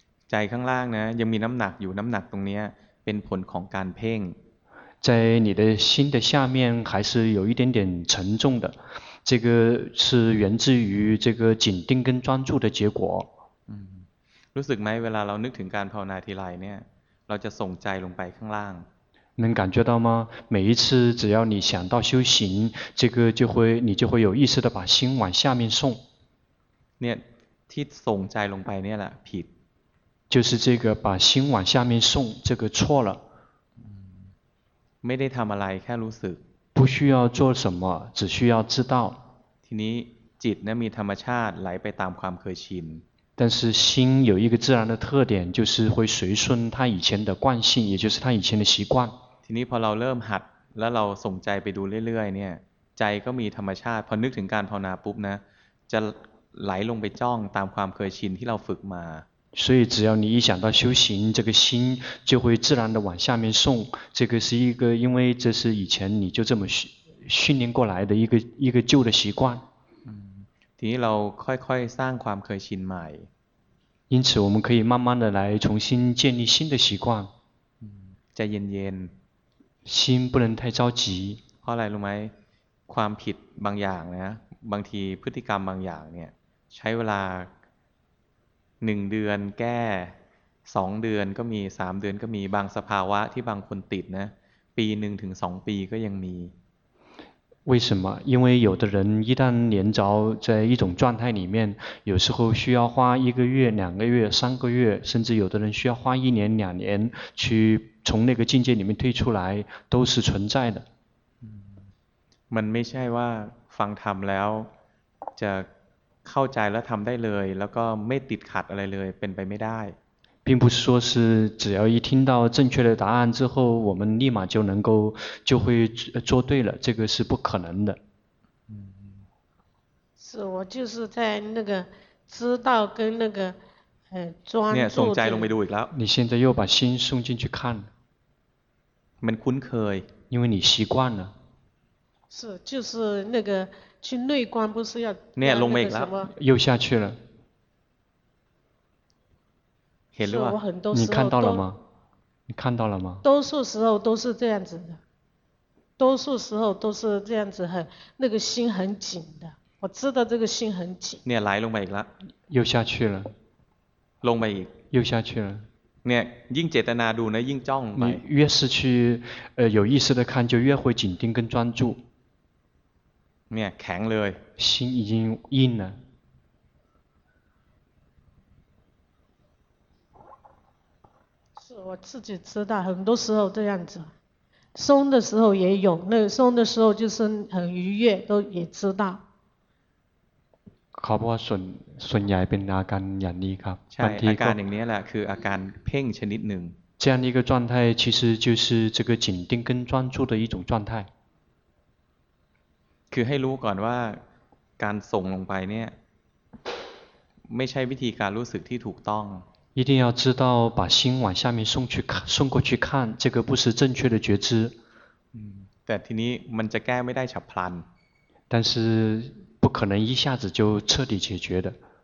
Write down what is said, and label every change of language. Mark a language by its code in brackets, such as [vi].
[th] ใจข้างล่างนะยังมีน้ำหนักอยู่น้ำหนักตรงนี้เป็นผลของการเพ่ง [zh] 在你的心的下面还是有一点点沉重的，这个是源自于这个紧盯跟专注的结果。 [th] รู้สึกไหมเวลาเรานึกถึงการภาวนาทีไรเนี่ยเราจะส่งใจลงไปข้างล่าง [zh] 能感觉到吗？每一次只要你想到修行，这个就会你就会有意识的把心往下面送。 [th] เนี่ยที่ส่งใจลงไปเนี่ยแหละผิด [zh] 就是这个把心往下面送，这个错了。 [th] ไม่ได้ทำอะไรแค่รู้สึก [zh] 不需要做什么，只需要知道。 [th] ทีนี้จิตเนี่ยมีธรรมชาติไหลไปตามความเคยชิน [zh] 但是心有一个自然的特点，就是会随顺它以前的惯性，也就是它以前的习惯。 [th] ทีนี้พอเราเริ่มหัดแล้วเราส่งใจไปดูเรื่อยๆเนี่ยใจก็มีธรรมชาติพอนึกถึงการภาวนาปุ๊บนะจะไหลลงไปจ้องตามความเคยชินที่เราฝึกมา [zh] 所以只要你一想到修行，这个心就会自然的往下面送。这个是一个，因为这是以前你就这么训练过来的一个旧的习惯。 [th] ทีนี้เราค่อยๆสร้างความเคยชินใหม่ [zh] 因此我们可以慢慢的来重新建立新的习惯 [th] ใจเย็น [zh] ๆ心不能太着急 [th] เพราะอะไรรู้ไหมความผิดบางอย่างนะบางทีพฤติกรรมบางอย่างเนี่ยใช้เวลา1เดือนแก้2เดือนก็มี3เดือนก็มีบางสภาวะที่บางคนติดนะปีหนึ่งถึง2ปีก็ยังมี [zh] 为什么？因为有的人一旦连着在一种状态里面，有时候需要花一个月、两个月、三个月，甚至有的人需要花一年、两年去从那个境界里面退出来，都是存在的。 [th] มันไม่ใช่ว่าฟังธรรมแล้วจะเข้าใจแล้วทำได้เลยแล้วก็ไม่ติดขัดอะไรเลยเป็นไปไม่ได้ [zh] 并不是说是只要一听到正确的答案之后我们立马就能够就会做对了这个是不可能的是我就是在那个知道跟那个专注的送斋龙没读了你现在又把心送进去看 [th] มันคุ้นเคย [zh] 因为你习惯了是就是那个去内观不是要 [th] เนี่ยลง ไ ปอีกแล้ว [zh] 又下去了你看到了吗？你看到了吗？多数时候都是这样子的，多数时候都是这样子很，那个心很紧的。我知道这个心很紧。你来龙尾了，又下去了，龙尾又下去了。你越 [th] เจตนาดูนะ， [zh] 越 [th] จ้องไป。 [zh] 你越是去有意识的看，就越会紧盯跟专注。你 [th] แข็งเลย， [zh] 心已经硬了。是我自己知道，很多时候这样子，松的时候也有，那个松的时候就是很愉悦，都也知道。 [th] ครับว่าส่วนใหญ่เป็นอาการอย่างนี้ครับ ใช่อาการอย่างนี้แหละคืออาการเพ่งชนิดหนึ่ง [zh] 这样的一个状态其实就是这个紧盯跟专注的一种状态 [th] คือให้รู้ก่อนว่าการส่งลงไปเนี่ยไม่ใช่วิธีการรู้สึกที่ถูกต้อง [zh] 一定要知道把心往下面送去看送过去看这个不是正确的觉知 [th] แต่ทีนี้มันจะแก้ไม่ได้ฉับพลัน [zh] 但是不可能一下子就彻底解决的